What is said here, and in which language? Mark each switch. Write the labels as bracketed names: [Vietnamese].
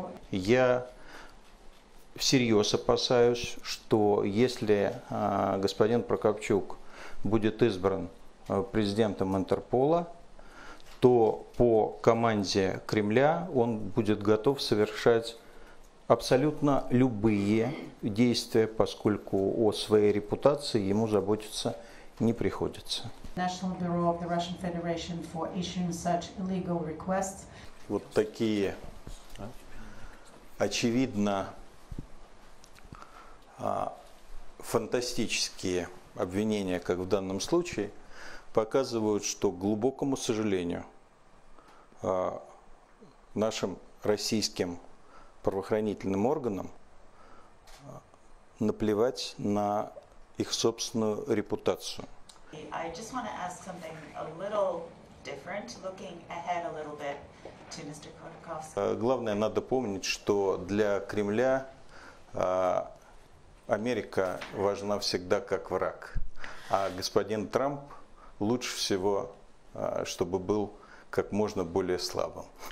[Russian] Я всерьез опасаюсь, что если господин Прокопчук будет избран президентом Интерпола, то по команде Кремля он будет готов совершать абсолютно любые действия, поскольку о своей репутации ему заботиться не приходится. [English] National Bureau of the Russian Federation for issuing such illegal requests. [Russian] Вот такие очевидно фантастические обвинения, как в данном случае, показывают, что, к глубокому сожалению, нашим российским правоохранительным органам наплевать на их собственную репутацию. [English] I just want to ask something a little different, looking ahead a little bit to Mr. Khodorkovsky. [Russian] Главное, надо помнить, что для Кремля Америка важна всегда как враг, а господин Трамп лучше всего, чтобы был как можно более слабым.